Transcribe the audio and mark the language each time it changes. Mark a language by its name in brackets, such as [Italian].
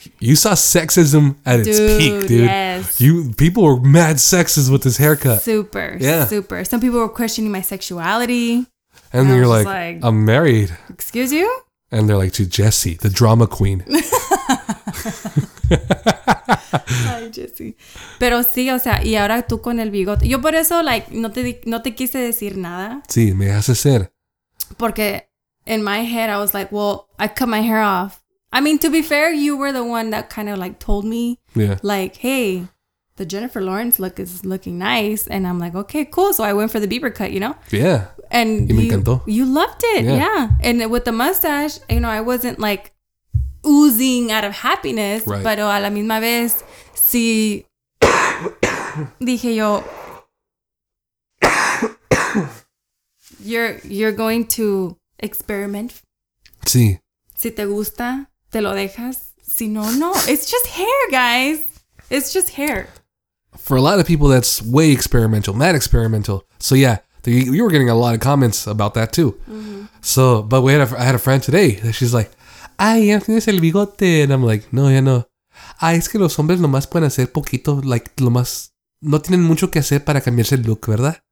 [English] You saw sexism at its peak, dude. Yes. People were mad sexist with this haircut. Super. Yeah. Super. Some people were questioning my sexuality. And then you're like, I'm married. Excuse you? And they're like, to Jesse, the drama queen. Ay, Jesse. [Spanish] Pero sí, o sea, y ahora tú con el bigote. Yo por eso, like, no te quise decir nada. Sí, me hace ser. [English] Porque in my head, I was like, well, I cut my hair off. I mean, to be fair, you were the one that kind of, like, told me. Yeah. Like, hey, the Jennifer Lawrence look is looking nice. And I'm like, okay, cool. So I went for the Bieber cut, you know? Yeah. And you loved it. Yeah. And with the mustache, you know, I wasn't like oozing out of happiness. Right. [Spanish] Pero a la misma vez, si dije yo, [English] you're going to experiment. [Spanish] Sí. Si te gusta, te lo dejas. Si no, no. [English] It's just hair, guys. It's just hair. For a lot of people, that's way experimental, mad experimental. So yeah. You were getting a lot of comments about that too. Mm-hmm. So, but I had a friend today that she's like, [Spanish] ay, ya tienes el bigote. [English] And I'm like, no, [Spanish] ya no. Ay, es que los hombres nomás pueden hacer poquito, like, nomás, no tienen mucho que hacer para cambiarse el look, ¿verdad?